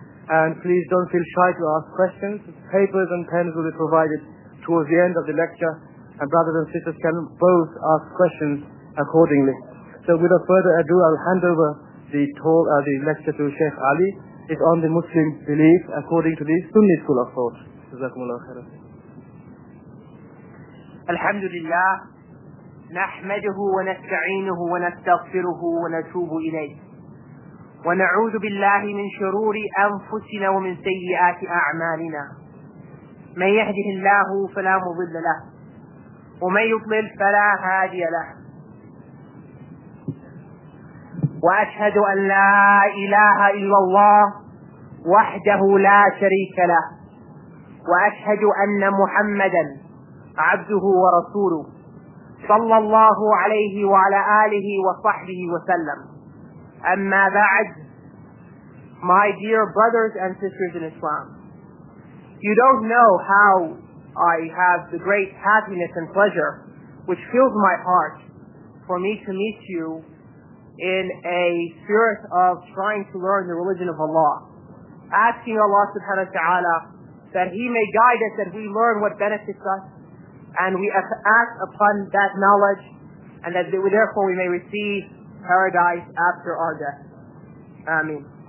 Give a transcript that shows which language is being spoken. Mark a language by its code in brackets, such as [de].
[en] And please don't feel shy to ask questions. Papers and pens will be provided towards the end of the lecture, and brothers and sisters can both ask questions accordingly. So without further ado, I'll hand over the lecture to Sheikh Ali. It's on the Muslim belief according to the Sunni school of thought. Jazakumullah khairan. [ar] Alhamdulillah, نحمده ونستعينه ونستغفره ونتوب إليه ونعوذ بالله من شرور أنفسنا ومن سيئات أعمالنا. من يهده الله فلا مضل له ومن يضلل فلا هادي له. وأشهد أن لا إله إلا الله وحده لا شريك له وأشهد أن محمدا عبده ورسوله صلى الله عليه وعلى آله وصحبه وسلم. أما بعد, [en] my dear brothers and sisters in Islam, you don't know how I have the great happiness and pleasure which fills my heart for me to meet you in a spirit of trying to learn the religion of Allah, asking Allah subhanahu wa ta'ala that He may guide us, that we learn what benefits us, and we act upon that knowledge, and that therefore we may receive paradise after our death. Ameen.